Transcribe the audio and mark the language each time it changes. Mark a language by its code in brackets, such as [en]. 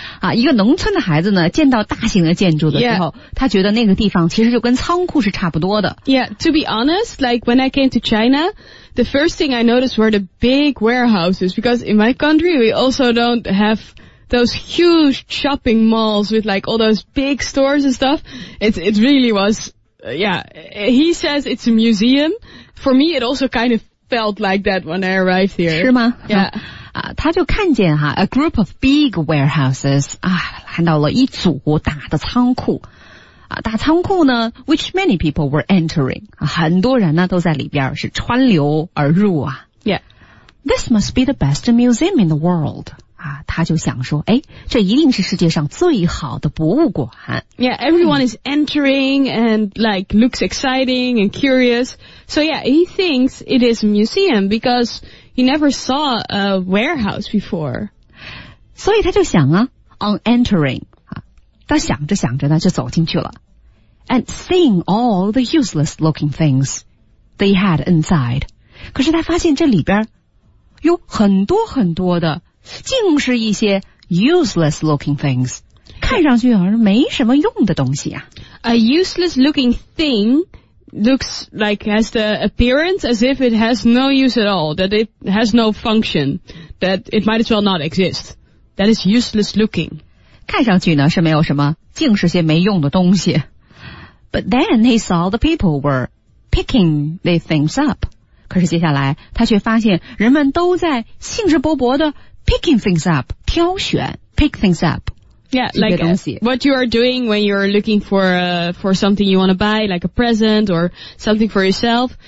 [zh] 啊，一个农村的孩子呢见到大型的建筑的时候、 [en] yeah. [zh] 他觉得那个地方其实就跟仓库是差不多的。 [en] Yeah, to be honest, like when I came to China, the first thing I noticed were the big warehouses, because in my country we also don't have those huge shopping malls with like all those big stores and stuff. It really was, yeah. He says it's a museum. For me, it also kind of felt like that when I arrived here. [zh] 是吗？ [en] Yeah. [zh] 他就看见哈 [en] a group of big warehouses, [zh] 啊看到了一组大的仓库。大仓库呢 , [en] which many people were entering, [zh] 很多人呢都在里边是穿流而入啊。 [en] Yeah. This must be the best museum in the world. [zh] 他就想说诶这一定是世界上最好的博物馆。 [en] Yeah, everyone is entering and like looks exciting and curious. So yeah, he thinks it is a museum because he never saw a warehouse before. [zh] 所以他就想啊 [en] on entering, [zh] 他想着想着呢就走进去了。 [en] And seeing all the useless looking things they had inside. [zh] 可是他发现这里边有很多很多的竟是一些 [en] useless looking things. [zh] 看上去好像没什么用的东西啊。 [en] A useless looking thing looks like has the appearance as if it has no use at all, that it has no function, that it might as well not exist. That is useless looking. [zh] 看上去呢是没有什么竟是些没用的东西。 [en] But then he saw the people were picking these things up. [zh] 可是接下来他却发现人们都在兴致勃勃的 [en] picking things up, [zh] 挑选 [en] pick things up. Yeah, like what you are doing when you're looking for something you want to buy, like a present or something for yourself.